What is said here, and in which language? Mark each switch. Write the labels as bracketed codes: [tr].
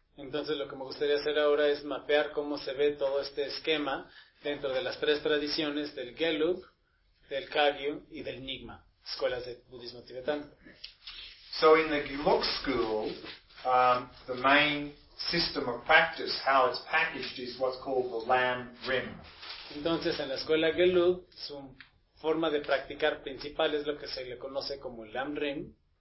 [es] Entonces lo que me gustaría hacer ahora es mapear cómo se ve todo este esquema dentro de las tres tradiciones del Geluk, del Kagyu y del Nyingma, escuelas de budismo tibetano. [en] So in the Geluk school, the main system of practice, how it's packaged, is what's called the Lam Rim. [es] Entonces, en la escuela Geluk, su forma de practicar principal es lo que se le conoce como Lam Rim.